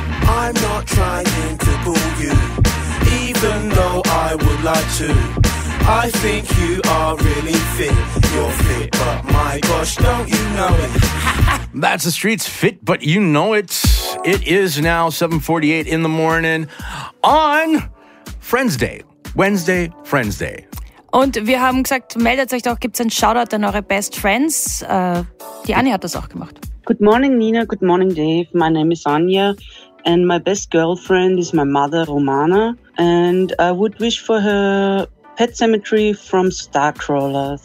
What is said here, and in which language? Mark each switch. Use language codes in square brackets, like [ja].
[en] I'm not trying to pull you, even though I would like to. I think you are really fit. You're fit, but my gosh, don't you know it. That's the streets, fit, but you know it. It is now 7:48 in the morning on Friends Day. Wednesday, Friends Day. [de] Und wir haben gesagt, meldet euch doch, gibt's einen Shoutout an eure Best Friends. Die Anja hat das auch gemacht. [en] Good morning, Nina. Good morning, Dave. My name is Anja. And my best girlfriend is my mother, Romana. And I would wish for her Pet Sematary from Starcrawler.